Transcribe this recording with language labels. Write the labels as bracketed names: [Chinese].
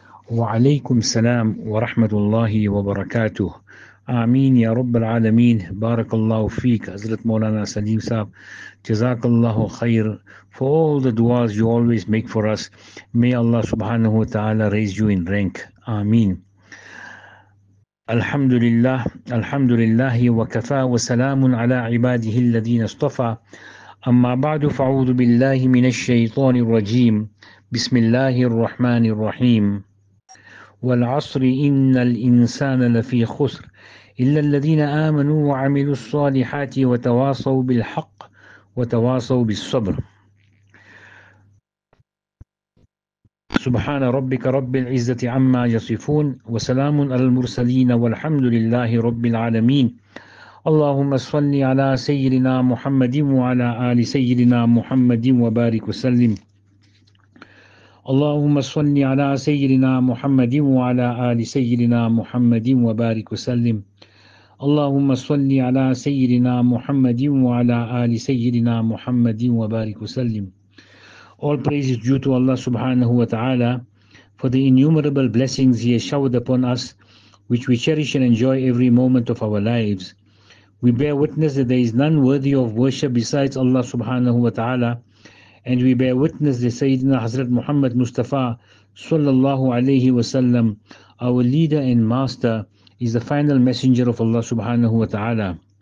[Arabic] وعليكم السلام ورحمة الله وبركاته. آمين يا رب العالمين. بارك الله فيك عزلت مولانا سليم صاحب، جزاك الله خير [English] for all the duas you always make for us. May Allah سبحانه وتعالى raise you in rank. [Arabic] آمين. الحمد لله الحمد لله وكفى وسلام على عباده الذين اصطفى. أما بعد، فأعوذ بالله من الشيطان الرجيم، بسم الله الرحمن الرحيم. والعصر إن الإنسان لفي خسر إلا الذين آمنوا وعملوا الصالحات وتواصوا بالحق وتواصوا بالصبر. سبحان ربك رب العزة عما يصفون وسلام على المرسلين والحمد لله رب العالمين. اللهم صل على سيدنا محمد وعلى آل سيدنا محمد وبارك وسلم. اللهم صل على سيدنا محمد وعلى آل سيدنا محمد وبارك وسلم. اللهم صل على سيدنا محمد وعلى آل سيدنا محمد وبارك وسلم. [English] All praise is due to Allah subhanahu wa ta'ala for the innumerable blessings He has showered upon us, which we cherish and enjoy every moment of our lives. We bear witness that there is none worthy of worship besides Allah subhanahu wa ta'ala, and we bear witness that Sayyidina Hazrat Muhammad Mustafa sallallahu alayhi wa sallam, our leader and master, is the final messenger of Allah subhanahu wa ta'ala.